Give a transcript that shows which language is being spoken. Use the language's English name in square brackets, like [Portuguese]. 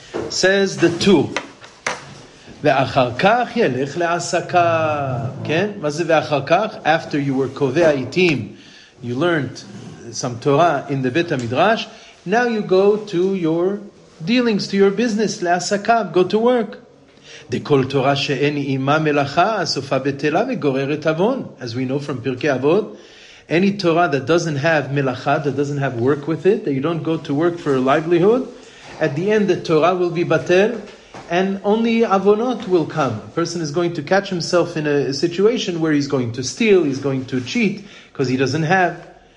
[English] Says the two. [Hebrew] ואחר כך ילך לעסקה. כן? מה זה ואחר כך? [English] After you were קובע איתים, you learned some Torah in the Bet HaMidrash, now you go to your dealings, to your business, לעסקה, go to work. [Hebrew] דכל תורה שאין אימה מלאכה, אסופה בטלה וגוררת אבון. [English] As we know from פרקי אבות, any Torah that doesn't have מלאכה, that doesn't have work with it, that you don't go to work for a livelihood, at the end the Torah will be batel, and only avonot will come. A person is going to catch himself in a situation where he's going to steal, he's going to cheat, because he doesn't have.